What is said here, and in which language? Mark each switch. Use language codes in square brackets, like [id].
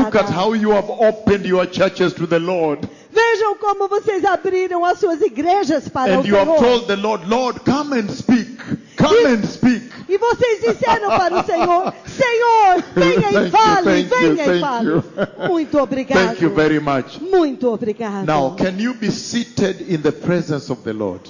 [en] Look at how you have opened your churches to the Lord. [pt] Vejam como vocês abriram as suas igrejas para [en] and [pt] o Senhor. [en] And you have told the Lord, Lord, come and speak. Come and speak. [pt] E vocês disseram para o Senhor, Senhor, venha e fale, venha e fale. Muito obrigado. [en] Thank you very much. [pt] Muito obrigado. [en] Now, can you be seated in the presence of the Lord?